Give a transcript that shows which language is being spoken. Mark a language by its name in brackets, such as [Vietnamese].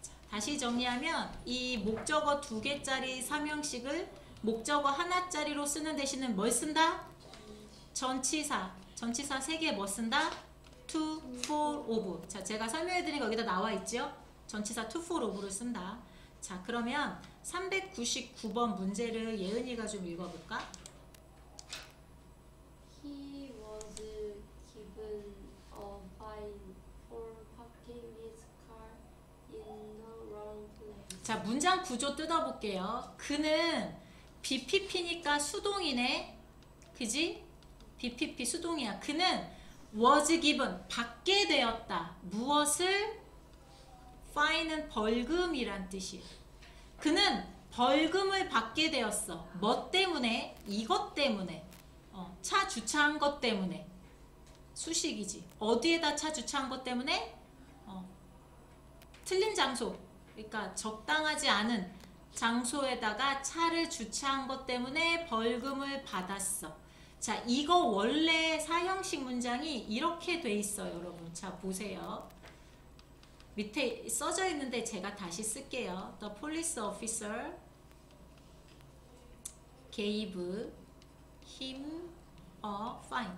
[Korean] 다시 정리하면 이 목적어 두 개짜리 삼형식을 목적어 하나짜리로 쓰는 대신은 뭘 쓴다? 전치사. 전치사 세 개 뭐 쓴다? 2, 4, 5. 자, 제가 설명해드린 거 여기다 나와 있죠? 전치사 2, 4, 5를 쓴다. 자, 그러면 399번 문제를 예은이가 좀 읽어볼까? [English] He was given a fine for parking his car in the wrong place. [Korean] 자, 문장 구조 뜯어볼게요. 그는 BPP니까 수동이네. 그지? BPP 수동이야. 그는 [English] was given, [Korean] 받게 되었다. 무엇을? fine은 벌금이란 뜻이야. 그는 벌금을 받게 되었어. 뭐 때문에? 이것 때문에. 어, 차 주차한 것 때문에. 수식이지. 어디에다 차 주차한 것 때문에? 어, 틀린 장소. 그러니까 적당하지 않은 장소에다가 차를 주차한 것 때문에 벌금을 받았어. 자, 이거 원래 사형식 문장이 이렇게 돼 있어요, 여러분. 자, 보세요. 밑에 써져 있는데 제가 다시 쓸게요. [English] The police officer gave him a fine.